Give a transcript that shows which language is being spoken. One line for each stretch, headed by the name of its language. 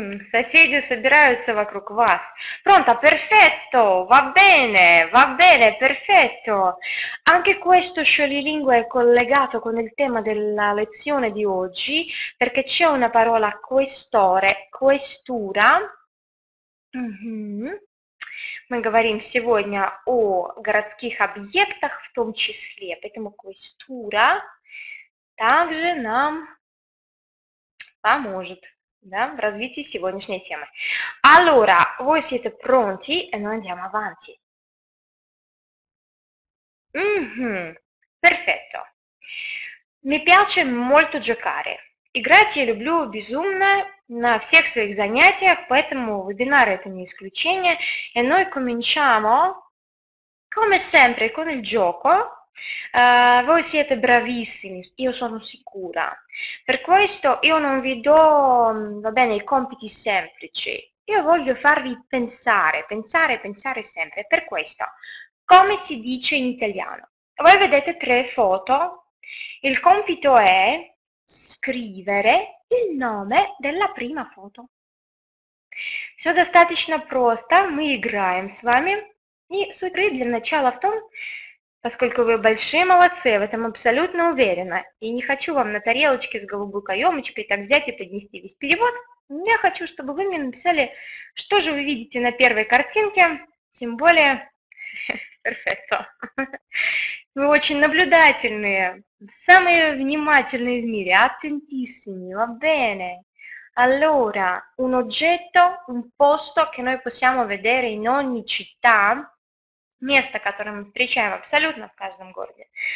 Russian: Соседи собираются вокруг вас.
Italian: Pronto, perfetto, va bene, perfetto. Anche questo sciolilingua è collegato con il tema della lezione di oggi, perché c'è una parola questore, questura.
Russian: Мы говорим сегодня о городских объектах в том числе, поэтому questura также нам поможет. Да, в развитии сегодняшней темы.
Italian: Allora, voi siete pronti e noi andiamo avanti. Perfetto. Mi piace molto giocare. Играть я люблю безумно на всех своих занятиях, поэтому вебинары это не исключение. E noi cominciamo, come sempre, con il gioco. Voi siete bravissimi, io sono sicura. Per questo io non vi do, va bene, i compiti semplici. Io voglio farvi pensare, pensare, pensare sempre. Per questo, come si dice in italiano? Voi vedete tre foto. Il compito è scrivere il nome della prima foto.
Russian: Все достаточно просто, мы играем с вами. И суть игры для начала в том, поскольку вы большие молодцы, я в этом абсолютно уверена. И не хочу вам на тарелочке с голубой каемочкой так взять и поднести весь перевод. Я хочу, чтобы вы мне написали, что же вы видите на первой картинке. Тем более, перфекто. Вы очень наблюдательные, самые внимательные в мире, аттентиссими,
Italian: va bene. Allora, un oggetto, un posto che noi possiamo vedere in ogni città.
Russian: Место, которое мы встречаем абсолютно в каждом городе.